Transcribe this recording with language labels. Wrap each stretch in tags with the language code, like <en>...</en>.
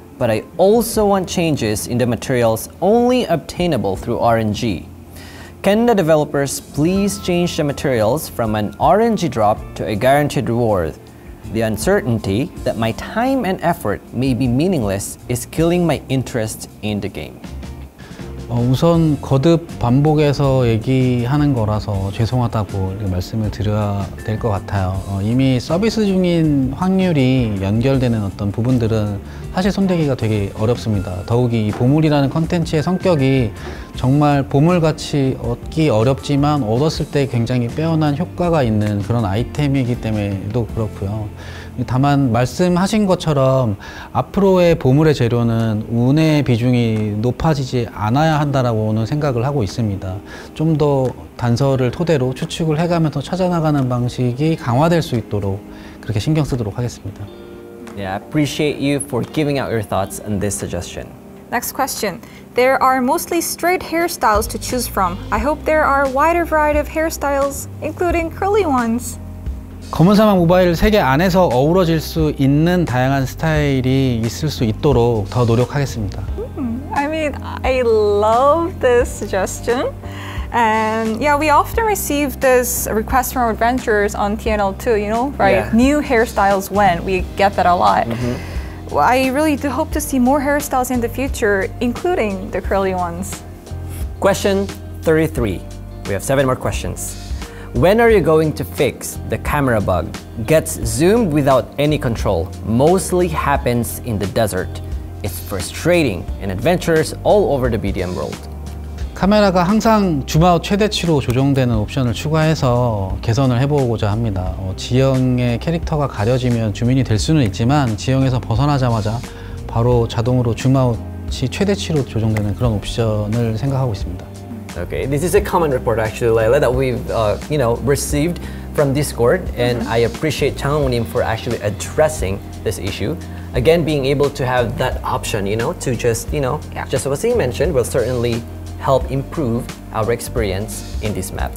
<en>But I also want changes in the materials only obtainable through RNG. Can the developers please change the materials from an RNG drop to a guaranteed reward? The uncertainty that my time and effort may be meaningless is killing my interest in the game.</en> <ko>우선 거듭 반복해서 얘기하는 거라서 죄송하다고 말씀을 드려야 될 것 같아요. 이미 서비스 중인 확률이 연결되는 어떤 부분들은 사실 손대기가 되게 어렵습니다. 더욱이 이 보물이라는 컨텐츠의 성격이 정말 보물같이 얻기 어렵지만 얻었을 때 굉장히 빼어난 효과가 있는 그런 아이템이기 때문에도 그렇고요. 다만 말씀하신 것처럼 앞으로의 보물의 재료는 운의 비중이 높아지지 않아야 한다라고는 생각을 하고 있습니다. 좀 더 단서를 토대로 추측을 해가면서 찾아나가는 방식이 강화될 수 있도록 그렇게 신경 쓰도록 하겠습니다.</ko> <en>Yeah, I appreciate you for giving out your thoughts on this suggestion. Next question. There are mostly straight hairstyles to choose from. I hope there are a wider variety of hairstyles, including curly ones.</en> <ko>검은 사막 모바일 세계 안에서 어우러질 수 있는 다양한 스타일이 있을 수 있도록 더 노력하겠습니다.</ko> <en>I mean, I love this suggestion. And yeah, we often receive this request from adventurers on TNL too, you know, right? Yeah. New hairstyles when, we get that a lot. Mm-hmm. Well, I really do hope to see more hairstyles in the future, including the curly ones. Question 33. We have 7 more questions. When are you going to fix the camera bug? Gets zoomed without any control. Mostly happens in the desert. It's frustrating in adventures all over the BDM world.</en> <ko>카메라가 항상 줌 아웃 최대치로 조정되는 옵션을 추가해서 개선을 해보고자 합니다. 지형의 캐릭터가 가려지면 줌인이 될 수는 있지만 지형에서 벗어나자마자 바로 자동으로 줌 아웃이 최대치로 조정되는 그런 옵션을 생각하고 있습니다.</ko> <en>Okay, this is a common report actually, Layla, that we've received from Discord, and I appreciate Changwon-nim for actually addressing this issue. Again, being able to have that option, to just just what he mentioned will certainly help improve our experience in this map.</en>